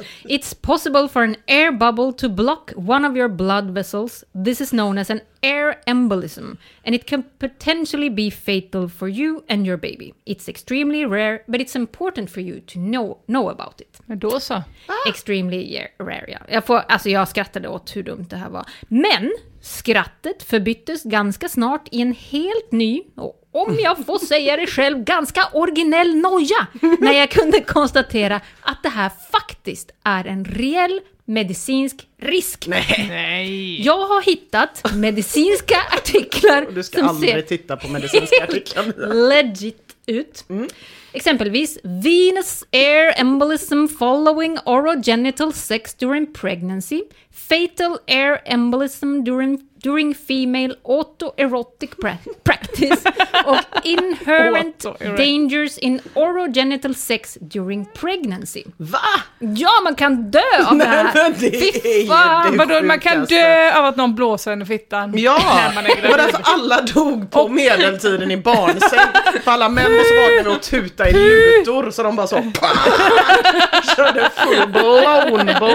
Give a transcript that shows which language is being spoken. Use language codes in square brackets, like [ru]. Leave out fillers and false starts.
[en] It's possible for an air bubble to block one of your blood vessels. This is known as an air embolism, and it can potentially be fatal for you and your baby. It's extremely rare, but it's important for you to know about it. [sv] Men då så. [en] Extremely rare, ja. [sv] Jag skrattade åt hur dumt det här var. Men skrattet förbyttes ganska snart i en helt ny, och om jag får säga det själv, ganska originell noja, när jag kunde konstatera att det här faktiskt är en reell medicinsk risk. Nej. Jag har hittat medicinska artiklar. Du ska aldrig titta på medicinska artiklar. Legit ut. Exempelvis [en] venous air embolism following orogenital sex during pregnancy, fatal air embolism during female autoerotic practice och inherent dangers in orogenital sex during pregnancy. [sv] Va? Ja, man kan dö av det här. Men det man kan dö av att någon blåser en fittan. Ja, var därför alla dog på medeltiden i barnsäng. För alla män måste vakna och tuta i lutor så de bara så körde full blow.